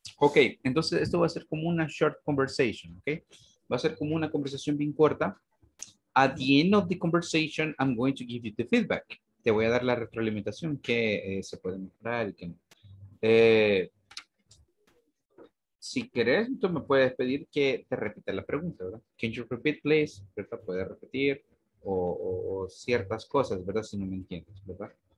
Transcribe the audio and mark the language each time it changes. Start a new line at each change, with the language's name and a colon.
Spanish: Ok, entonces esto va a ser como una
English: short conversation,
Spanish: ok? Va a ser como una conversación bien corta.
English: At the end of the conversation, I'm going to give you the feedback.
Spanish: Te voy a dar la retroalimentación que se puede mejorar y que no. Si querés, tú me puedes pedir que te repita la pregunta, ¿verdad?
English: Can you repeat, please?
Spanish: ¿Verdad? Puedes repetir o ciertas cosas, ¿verdad? Si no me entiendes, ¿verdad?